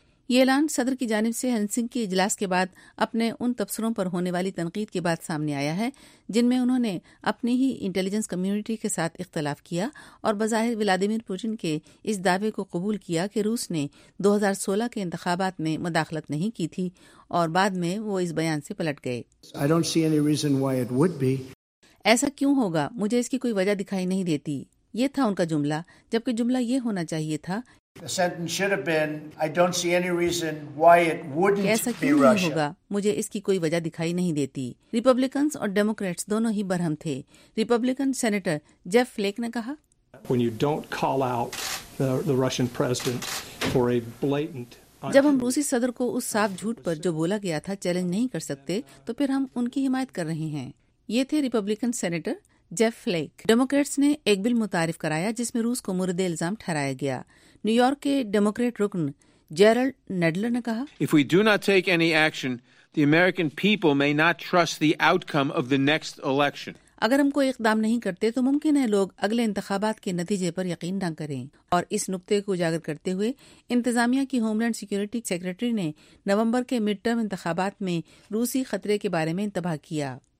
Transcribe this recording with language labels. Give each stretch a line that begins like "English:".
Urdu: یہ اعلان صدر کی جانب سے ہیلسنکی اجلاس کے بعد اپنے ان تبصروں پر ہونے والی تنقید کے بعد سامنے آیا ہے جن میں انہوں نے اپنی ہی انٹیلیجنس کمیونٹی کے ساتھ اختلاف کیا اور بظاہر ولادیمیر پوٹن کے اس دعوے کو قبول کیا کہ روس نے 2016 کے انتخابات میں مداخلت نہیں کی تھی اور بعد میں وہ اس بیان سے پلٹ گئے.
English: I don't see any reason why it would be.
Urdu: ایسا کیوں ہوگا, مجھے اس کی کوئی وجہ دکھائی نہیں دیتی, یہ تھا ان کا جملہ, جبکہ جملہ یہ ہونا چاہیے تھا ایسا کیوں ہوگا, مجھے اس کی کوئی وجہ دکھائی نہیں دیتی. ریپبلکنز اور ڈیموکریٹس دونوں ہی برہم تھے. ریپبلکن سینیٹر جیف فلیک نے کہا,
English: When you don't call out the Russian president for a blatant,
Urdu: جب ہم روسی صدر کو اس صاف جھوٹ پر جو بولا گیا تھا چیلنج نہیں کر سکتے تو پھر ہم ان کی حمایت کر رہے ہیں. یہ تھے Republican senator Jeff flake. Democrats نے ایک بل متعارف کرایا جس میں روس کو مرد الزام ٹھہرایا گیا. نیو یارک کے ڈیموکریٹ رکن جیرلڈ نیڈلر نے کہا,
English: If we do not take any action, the American people may not trust the outcome of the next election.
Urdu: اگر ہم کوئی اقدام نہیں کرتے تو ممکن ہے لوگ اگلے انتخابات کے نتیجے پر یقین نہ کریں. اور اس نقطے کو اجاگر کرتے ہوئے انتظامیہ کی ہوم لینڈ سیکیورٹی سیکرٹری نے نومبر کے مڈ ٹرم انتخابات میں روسی خطرے کے بارے میں انتباہ کیا.